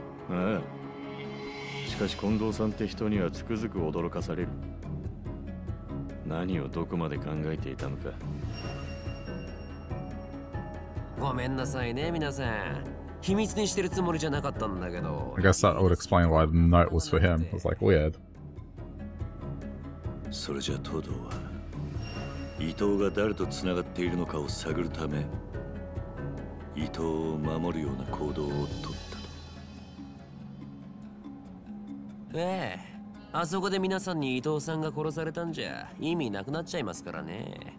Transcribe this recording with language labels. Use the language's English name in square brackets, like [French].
[Japanese] ああ、しかし近藤さんって人にはつくづく驚かされる。何をどこまで考えていたのか。ごめんなさいね、皆さん。秘密にしてるつもりじゃなかったんだけど。 [English] I guess that would explain why the note was for him. It's like weird. [Japanese] それじゃ東堂は伊藤が誰と繋がっているのかを探るため、伊藤を守るような行動を取ったと。ええ、あそこで皆さんに伊藤さんが殺されたんじゃ意味なくなっちゃいますからね。